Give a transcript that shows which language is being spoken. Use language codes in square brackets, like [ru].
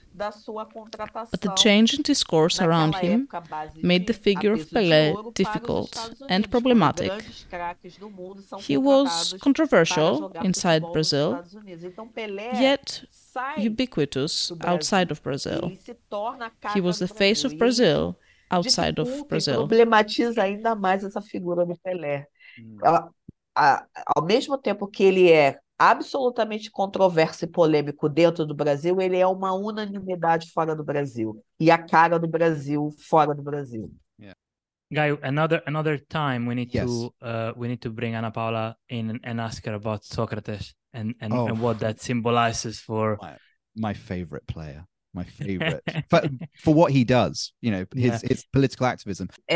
[en] But the change in discourse around him made the figure of Pelé difficult and problematic. He was controversial inside Brazil, yet ubiquitous outside of Brazil. He was the face of Brazil outside of Brazil. [pt] Problematiza ainda mais essa figura do Pelé. Ao mesmo tempo que ele é absolutamente controverso e polêmico dentro do Brasil, ele é uma unanimidade fora do Brasil e a cara do Brasil fora do Brasil. [en] Yeah. Guy, another time we need to bring Ana Paula in and ask her about Socrates and what that symbolizes for my favorite player. My favorite, for what he does, you know, his political activism.